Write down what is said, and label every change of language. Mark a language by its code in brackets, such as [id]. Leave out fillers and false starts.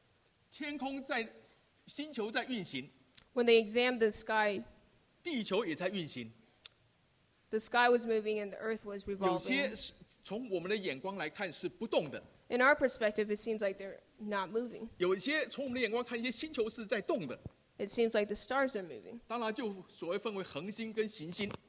[zh] 当他看天空的时候，天空在，星球在运行。 [en] When they examined the sky, [zh] 地球也在运行。 [en] The sky was moving and the earth was revolving. [zh] 有些从我们的眼光来看是不动的。 [en] In our perspective, it seems like they're not moving. [zh] 有些从我们的眼光看，一些星球是在动的。 [en] It seems like the stars are moving. [zh] 当然就所谓分为恒星跟行星。